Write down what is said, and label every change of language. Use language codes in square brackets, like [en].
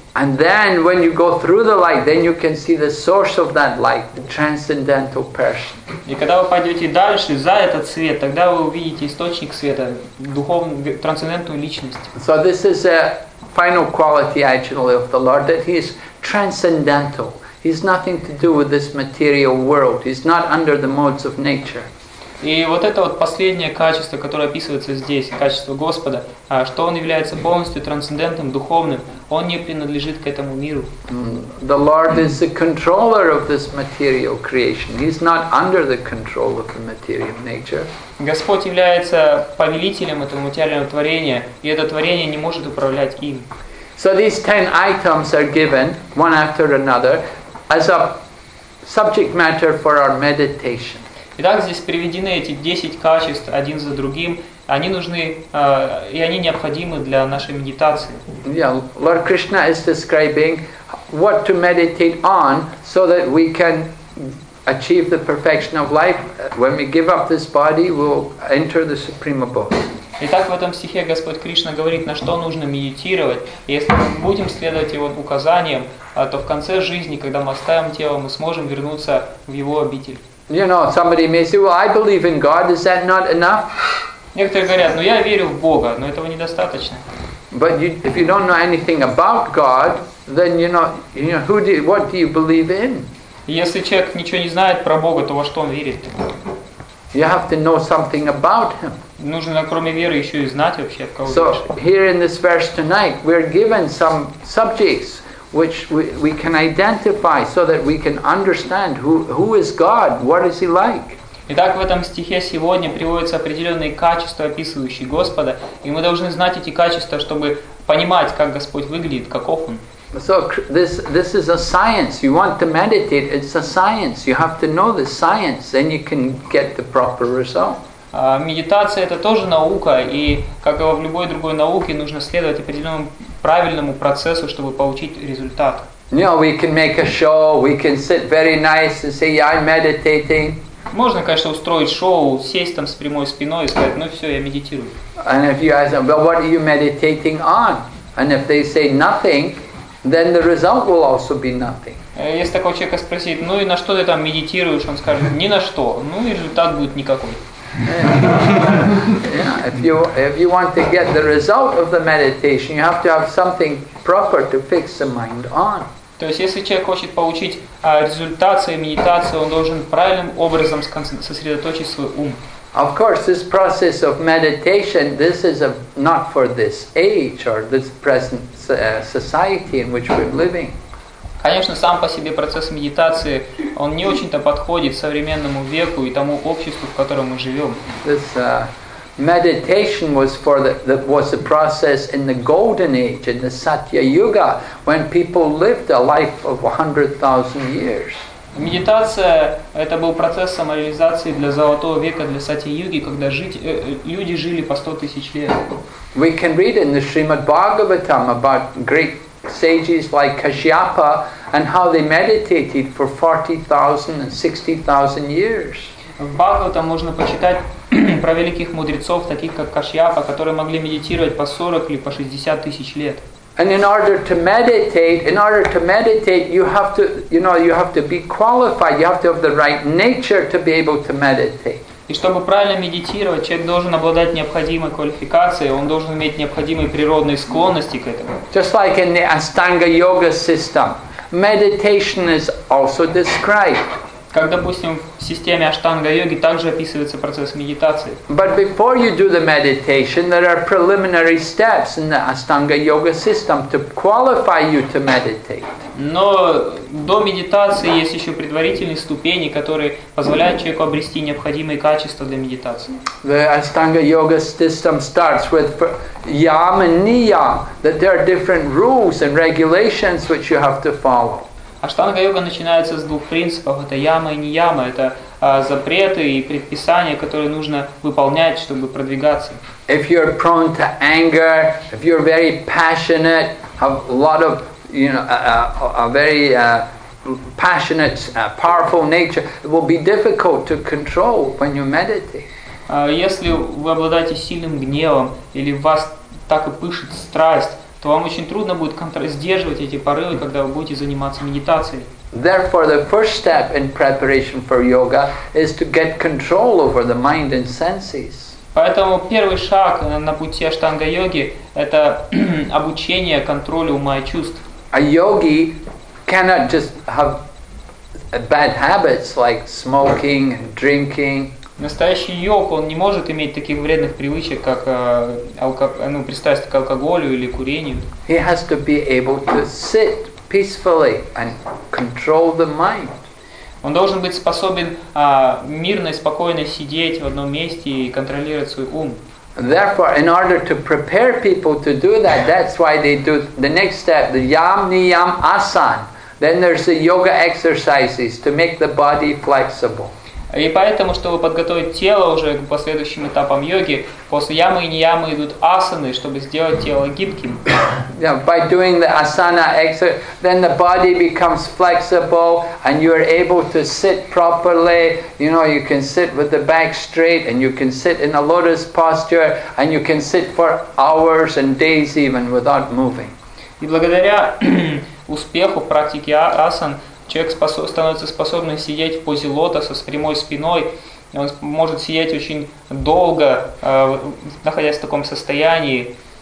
[en] And then when you go through the light, then you can see the source of that light, the transcendental person. [ru] И когда вы пойдете дальше за этот свет, тогда вы увидите источник света, духовную трансцендентную личность. [en] So this is a final quality actually of the Lord, that He is transcendental. He's nothing to do with this material world. He's not under the modes of nature. [ru] И вот это вот последнее качество, которое описывается здесь, качество Господа, что Он является полностью трансцендентным, духовным, Он не принадлежит к этому миру. [en] The Lord is the controller of this material creation. He's not under the control of the material nature. [ru] Господь является повелителем этого материального творения, и это творение не может управлять им. [en] So these 10 items are given, one after another, as a subject matter for our meditation. [ru] Итак, здесь приведены эти 10 качеств один за другим. Они нужны, и они необходимы для нашей медитации. [en] Yeah, Lord Krishna is describing what to meditate on so that we can achieve the perfection of life. When we give up this body, we'll enter the Supreme Abode. [ru] Итак, в этом стихе Господь Кришна говорит, на что нужно медитировать. Если мы будем следовать Его указаниям, то в конце жизни, когда мы оставим тело, мы сможем вернуться в Его обитель. [en] You know, somebody may say, well, I believe in God, is that not enough? [ru] Некоторые говорят, я верю в Бога, но этого недостаточно. [en] But if you don't know anything about God, then what do you believe in? [ru] Если человек ничего не знает про Бога, то во что он верит? [en] You have to know something about Him. [ru] Нужно кроме веры еще и знать вообще, кого [en] So here in this verse tonight, we're given some subjects which we can identify so that we can understand who is God, what is He like. [ru] Итак, в этом стихе сегодня приводятся определенные качества, описывающие Господа, и мы должны знать эти качества, чтобы понимать, как Господь выглядит, каков Он. [en] So this is a science. You want to meditate, it's a science. You have to know the science, then you can get the proper result. [ru] Медитация – это тоже наука, и, как и в любой другой науке, нужно следовать определенному правильному процессу, чтобы получить результат. [en] We can make a show, we can sit very nice and say, yeah, I'm meditating. [ru] Можно, конечно, устроить шоу, сесть там с прямой спиной и сказать, все, я медитирую. [en] And if you ask them, well, what are you meditating on? And if they say nothing, then the result will also be nothing. [ru] Если такого человека спросить, и на что ты там медитируешь, он скажет, ни на что, и результат будет никакой. [en] If you want to get the result of the meditation, you have to have something proper to fix the mind on. [ru] То есть, если человек хочет получить результат своей медитации, он должен правильным образом сосредоточить свой ум. [en] Of course, this process of meditation, this is not for this age or this present society in which we're living. [ru] Конечно, сам по себе процесс медитации, он не очень-то подходит современному веку и тому обществу, в котором мы живем. [en] This meditation was the process in the golden age, in the Satya Yuga, when people lived a life of 100,000 years. [ru] Медитация – это был процесс самореализации для Золотого века, для Сати-юги, когда люди жили по 100 тысяч лет. [en] We can read in the Srimad Bhagavatam about great sages like Kashyapa and how they meditated for 40,000 and 60,000 years. [ru] В Бхагаватам можно почитать про великих мудрецов, таких как Кашьяпа, которые могли медитировать по 40 или по 60 тысяч лет. [en] And in order to meditate, you have to be qualified. You have to have the right nature to be able to meditate. [ru] И чтобы правильно медитировать, человек должен обладать необходимой квалификацией. Он должен иметь необходимые природные склонности к этому. [en] Just like in the Ashtanga Yoga system, meditation is also described. [ru] Как, допустим, в системе Аштанга Йоги также описывается процесс медитации. [en] But before you do the meditation, there are preliminary steps in the Ashtanga Yoga system to qualify you to meditate. [ru] Но до медитации есть еще предварительные ступени, которые позволяют человеку обрести необходимые качества для медитации. [en] The Ashtanga Yoga system starts with yam and niyam, that there are different rules and regulations which you have to follow. [ru] Аштанга-йога начинается с двух принципов. Это яма и нияма. Это запреты и предписания, которые нужно выполнять, чтобы продвигаться. [en] If you're prone to anger, if you're very passionate, have a lot of, you know, a very passionate, powerful nature, it will be difficult to control when you meditate. [ru] Если вы обладаете сильным гневом, или вас так и пышет страсть, то вам очень трудно будет сдерживать эти порывы, когда вы будете заниматься медитацией. [en] Therefore, the first step in preparation for yoga is to get control over the mind and senses. [ru] Поэтому первый шаг на пути аштанга-йоги – это обучение контролю ума и чувств. [en] A yogi cannot just have bad habits like smoking and drinking. [ru] Настоящий йог, он не может иметь таких вредных привычек, как пристрастие к алкоголю или курению. [en] He has to be able to sit peacefully and control the mind. [ru] Он должен быть способен мирно и спокойно сидеть в одном месте и контролировать свой ум. [en] Therefore, in order to prepare people to do that, that's why they do the next step, the yam-niyam asan. Then there's the yoga exercises to make the body flexible. [ru] И поэтому, чтобы подготовить тело уже к последующим этапам йоги, после ямы и ниямы идут асаны, чтобы сделать тело гибким. [en] Yeah, by doing the asana exercise, then the body becomes flexible, and you are able to sit properly. You know, you can sit with the back straight, and you can sit in a lotus posture, and you can sit for hours and days even without moving. [ru] И благодаря успеху в практике асан, человек становится способным сидеть в позе лотоса с прямой спиной, и он может сидеть очень долго, находясь в таком состоянии.